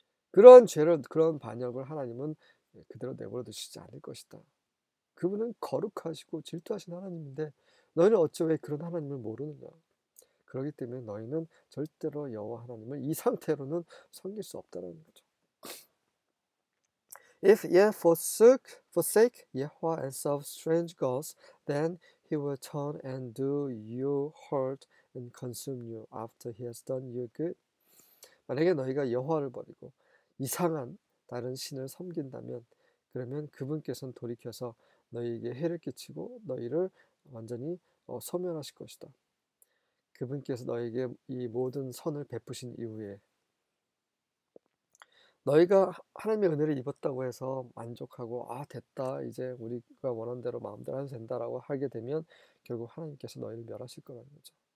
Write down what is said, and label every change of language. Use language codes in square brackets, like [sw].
[ko] 그런 죄를, 그런 반역을 하나님은 그대로 내버려 두시지 않을 것이다. 그분은 거룩하시고 질투하신 하나님인데 너희는 어찌 왜 그런 하나님을 모르느냐? 그렇기 때문에 너희는 절대로 여호와 하나님을 이 상태로는 섬길 수 없다는 거죠. [en] If ye forsake Yehovah and serve strange gods, then he will turn and do you hurt and consume you after he has done you good. [ko] 만약에 너희가 여호와를 버리고 이상한 다른 신을 섬긴다면, 그러면 그분께서는 돌이켜서 너희에게 해를 끼치고 너희를 완전히 소멸하실 것이다. 그분께서 너희에게 이 모든 선을 베푸신 이후에 너희가 하나님의 은혜를 입었다고 해서 만족하고 아 됐다 이제 우리가 원하는 대로 마음대로 해도 된다라고 하게 되면 결국 하나님께서 너희를 멸하실 거라는 거죠.